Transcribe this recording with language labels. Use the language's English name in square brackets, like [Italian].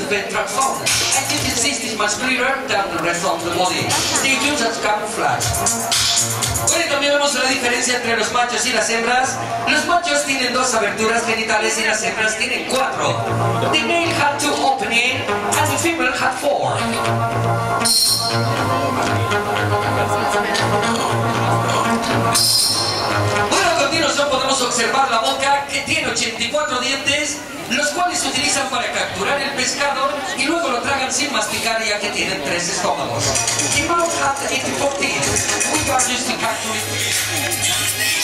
[English] Much clearer than the rest of the body. They use as camouflage. [Spanish] sabemos la diferencia entre los machos y las hembras? Los machos tienen dos aberturas genitales y las hembras tienen cuatro. [English] The male had two openings and the female had four. [Spanish] Bueno, a continuación podemos observar la boca, que tiene 84 dientes, los cuales se utilizan para capturar el pescado y luego lo tragan sin masticar, ya que tienen tres estómagos. [English] The mouth has 84 teeth, which are used to capture it.